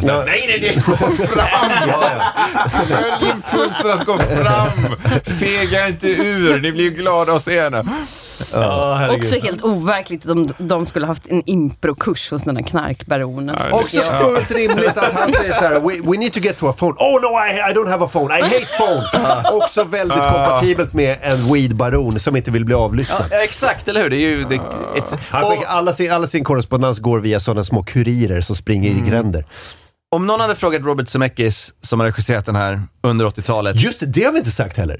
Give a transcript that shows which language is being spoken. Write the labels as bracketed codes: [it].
[sv] Så här, nej, gå fram! Följ impulsen. Gå fram, fega inte ur, ni blir ju glada att se henne. Oh, också helt overkligt att de skulle haft en improkurs hos den här knarkbaronen. Också fullt rimligt att han säger så här: [en] we need to get to a phone. Oh no, I don't have a phone, I hate phones. [sv] Också väldigt kompatibelt med en weedbaron som inte vill bli avlyssnad. Ja, exakt, eller hur? Det är ju, det, alla sin korrespondens går via sådana små kurirer som springer i gränder. Om någon hade frågat Robert Zemeckis, som har regisserat den här under 80-talet... Just det, har vi inte sagt heller.